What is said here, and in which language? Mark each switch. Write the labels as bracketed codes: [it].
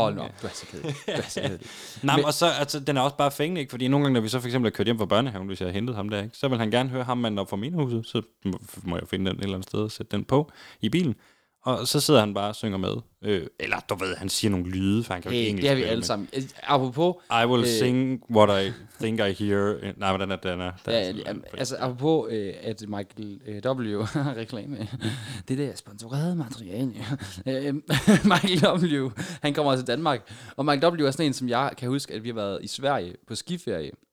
[da] Hold nu op, du er så kedelig. Nej, og så, altså, den er også bare fængende, ikke? Fordi nogle gange, når vi så for eksempel har kørt hjem fra børnehaven, hvis jeg har hentet ham der, ikke? Så vil han gerne høre ham manden op fra menighedshuset, så må jeg finde den et eller andet sted og sætte den på i bilen. Og så sidder han bare og synger med. Eller du ved, han siger nogle lyde, for han kan jo engelsk. Det har vi alle sammen. Apropos... [en] I will sing what I think I hear. [da] Nej, hvordan er det, den er? Apropos, at Michael W. reklame. Det der sponsorerede materiale. Michael W., han kommer til Danmark. Og Michael W. er sådan en, som jeg kan huske, at vi har været i Sverige på skiferie.